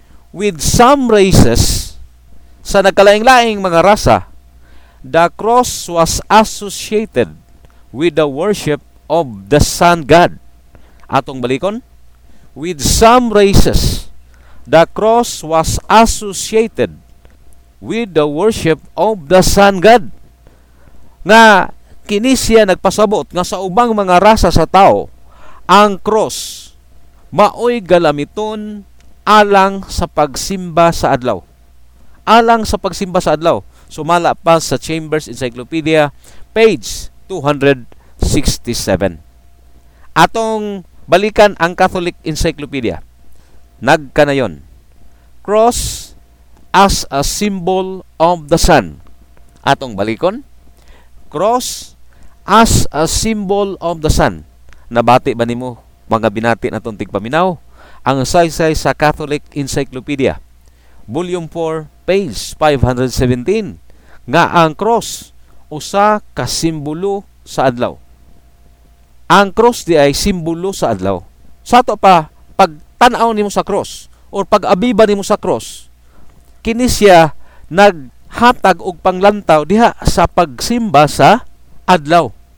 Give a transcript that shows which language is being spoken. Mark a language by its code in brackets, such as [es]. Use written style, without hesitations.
[en] With some races [ceb] sa nagkalaing-laing mga rasa, [en] the cross was associated with the worship of the sun god. [ceb] Atong balikon. [en] With some races, the cross was associated with the worship of the sun god. [ceb] Nga kini siya nagpasabot nga sa ubang mga rasa sa tao, ang cross maoy galamiton alang sa pagsimba sa adlaw. Alang sa pagsimba sa adlaw. Sumala pa sa Chambers Encyclopedia, page 267. Atong balikan ang Catholic Encyclopedia. Nagkanayon. [en] Cross as a symbol of the sun. [ceb] Atong balikon. [en] Cross as a symbol of the sun. [ceb] Nabati ba nimo mga binati na itong tigpaminaw? Ang saysay sa Catholic Encyclopedia, Volume 4, page 517, nga ang cross usa ka simbolo sa adlaw. Ang cross di ay simbolo sa adlaw. Sa ito pa, pag tanaw nimo sa cross or pag abiba nimo sa cross, kini siya naghatag og panglantaw diha sa pagsimba sa adlaw.